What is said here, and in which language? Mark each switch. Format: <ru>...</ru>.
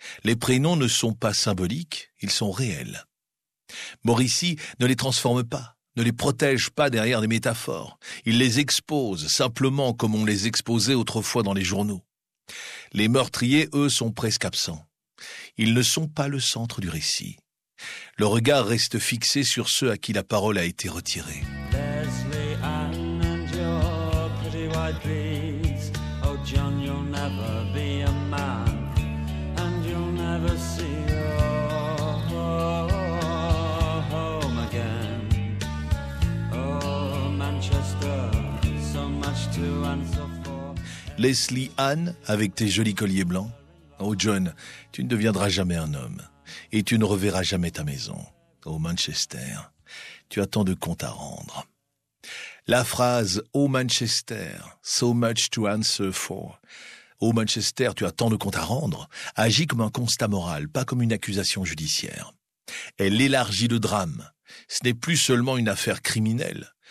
<fr>Les prénoms ne sont pas symboliques, ils sont réels. Morrissey ne les transforme pas, ne les protège pas derrière des métaphores. Il les expose simplement comme on les exposait autrefois dans les journaux. Les meurtriers, eux, sont presque absents. Ils ne sont pas le centre du récit. Le regard reste fixé sur ceux à qui la parole a été retirée.</fr> <en>Leslie Ann and your pretty white beads. Oh John, you'll never be a man. And you'll never see your home again. Oh Manchester, so much to answer for.</en> <fr>Leslie Ann, avec tes jolis colliers blancs. Oh John, tu ne deviendras jamais un homme et tu ne reverras jamais ta maison. Oh Manchester, tu as tant de comptes à rendre. La phrase «</fr> <en>Oh Manchester, so much to answer for</en> <fr>»« Oh Manchester, tu as tant de comptes à rendre » agit comme un constat moral, pas comme une accusation judiciaire. Elle élargit le drame. Ce n'est plus seulement une affaire criminelle,</fr>